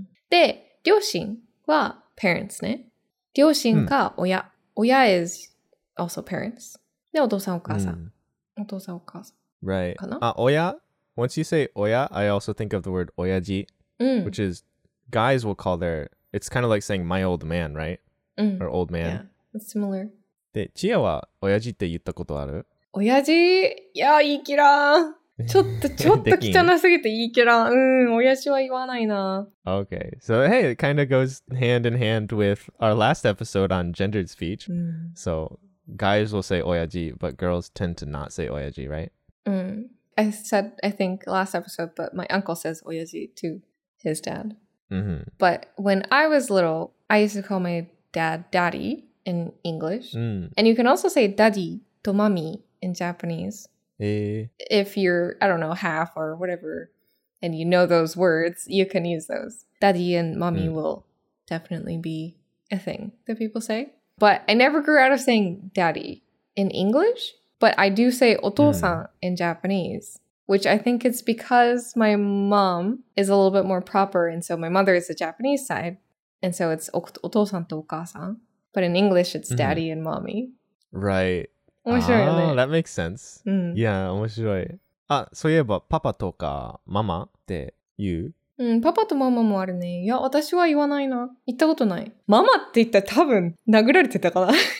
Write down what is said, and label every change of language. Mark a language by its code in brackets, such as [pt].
[ja] で、両親は parents ね。両親か親。親 [en] is also parents. [ja] で、お父さん、お母さん。お父さん、お母さん。 [en] Right. [ja] かな？あ、親。 [en] Once you say 親, I also think of the word 親父。 Which is, guys will call their... It's kind of like saying my old man, right? Or old man. Yeah, it's similar. [ja] で、千代は親父って言ったことある？親父？いや、言い切らん。ちょっと汚すぎて言い切らん。うん、親父は言わないな。 [en] Okay. So, hey, it kind of goes hand in hand with our last episode on gendered speech. So... Guys will say oyaji, but girls tend to not say oyaji, right? I think last episode, but my uncle says oyaji to his dad. Mm-hmm. But when I was little, I used to call my dad daddy in English. And you can also say daddy to mommy in Japanese. If you're, I don't know, half or whatever, and you know those words, you can use those. Daddy and mommy will definitely be a thing that people say. But I never grew out of saying daddy in English, but I do say otosan in Japanese, which I think it's because my mom is a little bit more proper, and so my mother is the Japanese side, and so it's otosan to okasan, but in English it's daddy and mommy. Right. That makes sense. Yeah, [ja] 面白い。あ、そういえばパパとかママって言う？パパとママもあるね。いや、私は言わないな。言ったことない。ママって言ったら多分殴られてたかな。